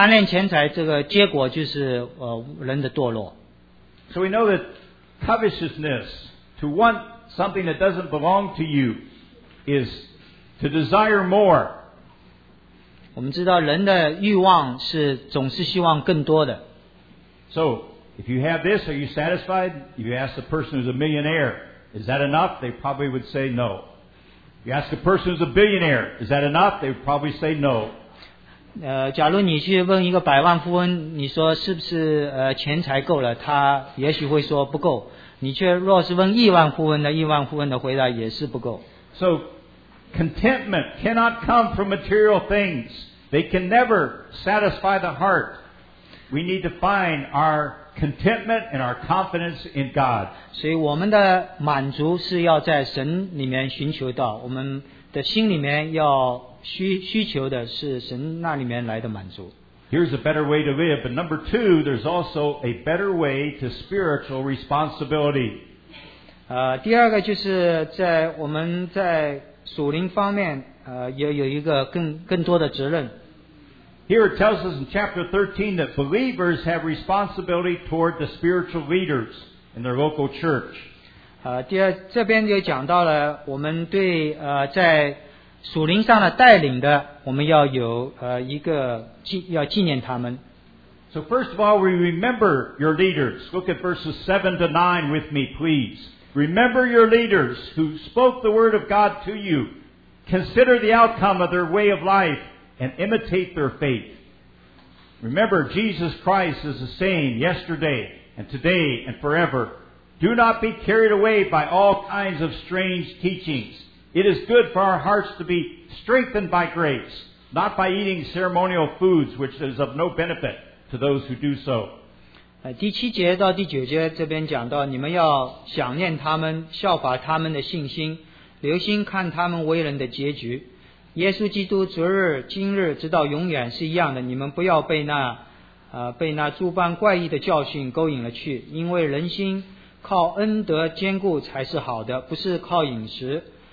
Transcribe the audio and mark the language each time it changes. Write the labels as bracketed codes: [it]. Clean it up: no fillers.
[zh] 我们有物质的需要，我们有物质的需求，但是在这个世上有许多人贪恋钱财，那贪恋钱财这个结果就是人的堕落。 [en] So we know that covetousness, to want something that doesn't belong to you, is to desire more. [zh] 我们知道人的欲望是总是希望更多的。 [en] So, if you have this, are you satisfied? If you ask a person who's a millionaire, is that enough? They probably would say no. If you ask a person who's a billionaire, is that enough? They would probably say no. [zh] 假如你去问一个百万富翁，你说是不是钱财够了？他也许会说不够。你却若是问亿万富翁的，亿万富翁的回答也是不够。 [en] So, contentment cannot come from material things. They can never satisfy the heart. We need to find our contentment and our confidence in God. [zh] 所以我们的满足是要在神里面寻求到，我们的心里面要需求的是神那里面来的满足。 [en] Here's a better way to live. But number two, there's also a better way to spiritual responsibility. [zh] 第二个就是在我们在属灵方面，有一个更多的责任。 [en] Here it tells us in chapter 13 that believers have responsibility toward the spiritual leaders in their local church. [zh] 这边就讲到了我们对在属灵上的带领的，我们要有一个要纪念他们。 [en] So first of all, we remember your leaders. Look at verses 7 to 9 with me, please. Remember your leaders who spoke the word of God to you. Consider the outcome of their way of life and imitate their faith. Remember, Jesus Christ is the same yesterday and today and forever. Do not be carried away by all kinds of strange teachings. It is good for our hearts to be strengthened by grace, not by eating ceremonial foods, which is of no benefit to those who do so. [zh] 第七节到第九节这边讲到，你们要想念他们，效法他们的信心，留心看他们为人的结局。耶稣基督昨日、今日、直到永远是一样的。你们不要被那诸般怪异的教训勾引了去，因为人心靠恩德坚固才是好的，不是靠饮食。